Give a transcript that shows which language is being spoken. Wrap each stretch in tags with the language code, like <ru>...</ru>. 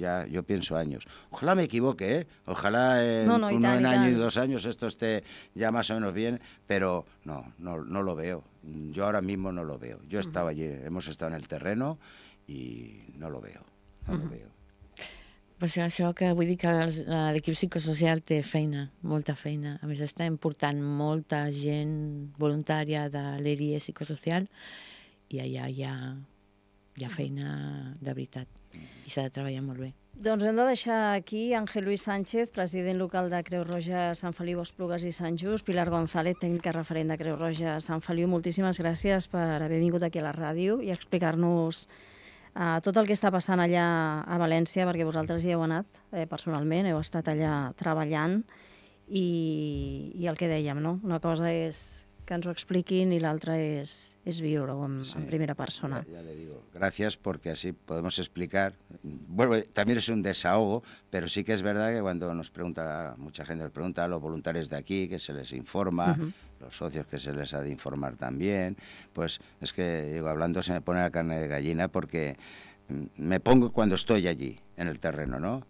<es>Yo pienso años. Ojalá me equivoque, ¿eh? Ojalá y dos años esto esté ya más o menos bien, pero no lo veo. Yo ahora mismo no lo veo. Yo estaba allí, hemos estado en el terreno y no lo veo. No lo veo.</es> <ca>Pues això, que vull dir que l'equip psicosocial té feina, molta feina. A més, està important molta gent voluntària de l'ERIE psicosocial i allà hi ha Hi ha feina de veritat i s'ha de treballar molt bé. Doncs hem de deixar aquí Ángel Luis Sánchez, president local de Creu Roja, Sant Feliu, Esplugues i Sant Just, Pilar González, tècnica referent de Creu Roja, Sant Feliu. Moltíssimes gràcies per haver vingut aquí a la ràdio i explicar-nos tot el que està passant allà a València, perquè vosaltres hi heu anat personalment, heu estat allà treballant, i el que dèiem, no? Una cosa és que ens ho expliquin i l'altra és viure-ho en primera persona.</ca> <es>Ja le digo, gracias, porque así podemos explicar. Bueno, también es un desahogo, pero sí que es verdad que cuando nos pregunta, mucha gente nos pregunta, los voluntarios de aquí, que se les informa, los socios, que se les ha de informar también, pues es que, digo, hablando se me pone la carne de gallina, porque me pongo cuando estoy allí, en el terreno, ¿no?</es>